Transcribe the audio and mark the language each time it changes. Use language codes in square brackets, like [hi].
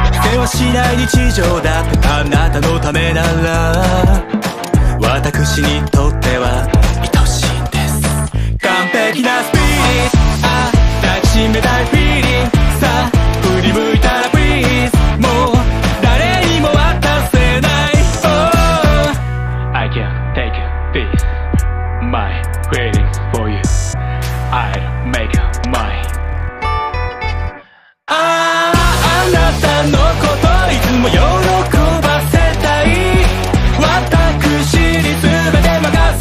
[ja] せわしない日常だってあなたのためなら私にとっては愛しいんです。完璧なスピーチ、あ、抱きしめたいフィーリング、さあ振り向いたらプリーズ、もう誰にも渡せない。 [en] Oh, I can't take this my feelings for you, I'll make mine。 [ja] ああなたのこといつも喜ばせたい、私に全て任せたい。